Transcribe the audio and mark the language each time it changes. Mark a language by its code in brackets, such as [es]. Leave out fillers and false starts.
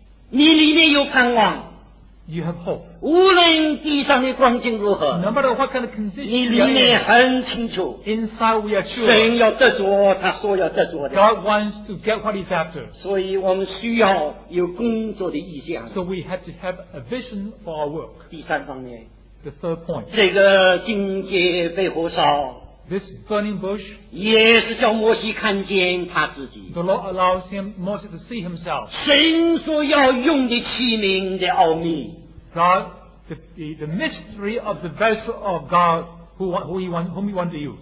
[zh] 你里面有盼望 [en] You have hope. [zh] 无论地上的光景如何 [en] no matter what kind of condition, [zh] 你里面很清楚 [en] Inside we are sure. [zh] 神要得着他所要得着的 [en] God wants to get what he's after. [zh] 所以我们需要有工作的意向 [en] So we have to have a vision for our work. [zh] 第三方面 [en] The third point. [zh] 这个荆棘被火烧 [en] This burning bush. [zh] 也是叫摩西看见他自己 [en] The Lord allows him, Moses to see himself. [zh] 神所要用的器皿的奥秘 [en] God, the mystery of the vessel of God whom he wants to use.